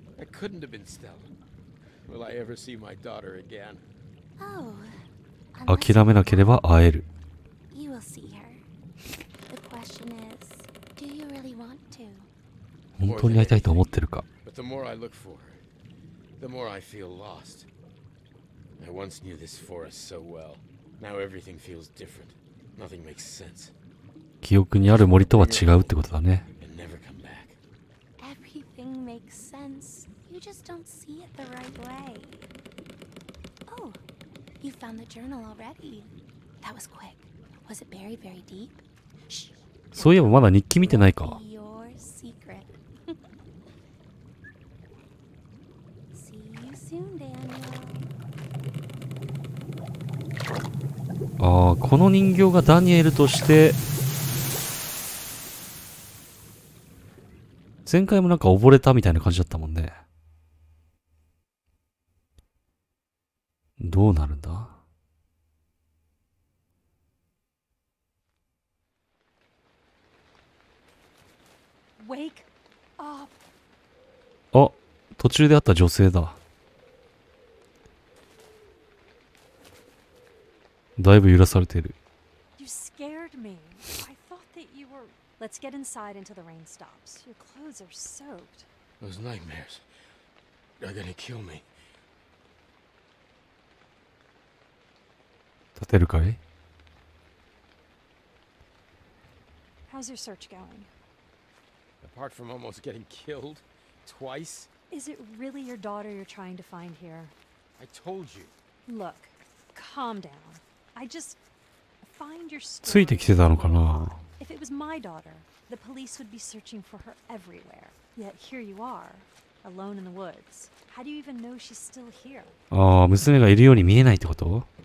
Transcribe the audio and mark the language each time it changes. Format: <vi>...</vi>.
<en>Couldn't have been Stella. Will I ever see my daughter again?</en> <ja>Oh, 諦めなければ会える。</ja> <en>You will see her. The question is, do you really want to?</en> <ja>本当に会いたいと思ってるか。</ja> <en>But the more I look for her, the more I feel lost. I once knew this forest so well. Now everything feels different. Nothing makes sense.</en> <ja>記憶にある森とは違うってことだね。</ja> <en>And never come back. Everything makes sense. You just don't see it the right way. Oh, you found the journal already. That was quick. Was it buried very deep?</en> <ja>そういえばまだ日記見てないか。</ja> <en>Your secret. See you soon, Daniel.</en> <ja>ああ、この人形がダニエルとして。前回もなんか溺れたみたいな感じだったもんね。どうなるんだ？</ja> <en>Wake up.</en> <ja>あ、途中で会った女性だ。だいぶ揺らされている。</ja> <en>You scared me. I thought that you were... Let's get inside until the rain stops. Your clothes are soaked. Those nightmares. They're gonna kill me.</en> <ja>立てるかい？</ja> <en>How's your search going? Apart from almost getting killed twice. Is it really your daughter you're trying to find here? I told you. Look, calm down. I just find your story.</en> <ja>ついてきてたのかな？</ja> <en>If it was my daughter, the police would be searching for her everywhere. Yet here you are, alone in the woods. How do you even know she's still here?</en> <ja>ああ、娘がいるように見えないってこと？</ja>